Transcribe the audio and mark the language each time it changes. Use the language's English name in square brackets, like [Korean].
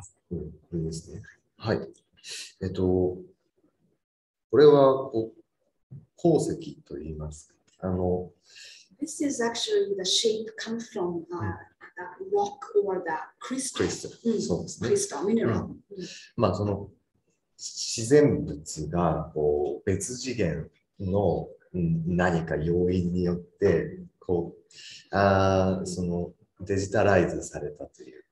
[Japanese] これですね、はい、これは鉱石と言います。あの、 [English] This is actually the shape come from the rock or the crystal. [Japanese] Crystal、そうですね。 [English] Crystal mineral、 [Japanese] まあその自然物がこう別次元の何か要因によってこうそのデジタライズされたという。